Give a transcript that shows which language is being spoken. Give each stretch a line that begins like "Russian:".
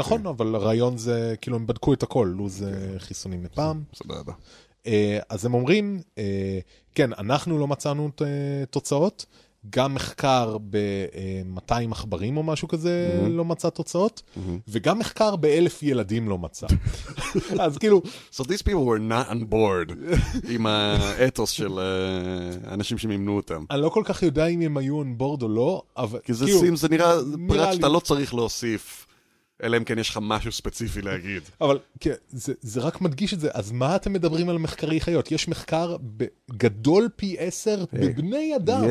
Hebrew: נכון, אבל הרעיון זה, כאילו הם בדקו את הכל, לו זה חיסונים מפעם. סבבה. אז הם אומרים, כן, אנחנו לא מצאנו תוצאות, גם מחקר ב-200 עכברים או משהו כזה לא מצא תוצאות, וגם מחקר ב-1,000 ילדים לא מצא. אז כאילו...
English: So these people were not on board
Hebrew: עם האתוס של אנשים שמימנו אותם. אני לא כל כך יודע אם הם היו on board או לא, אבל... כי זה כאילו, סים, זה נראה פרט שאתה לא צריך להוסיף, אלא אם כן יש לך משהו ספציפי להגיד. אבל כן, זה רק מדגיש את זה. אז מה אתם מדברים על מחקרי חיות? יש מחקר גדול פי 10 בבני אדם.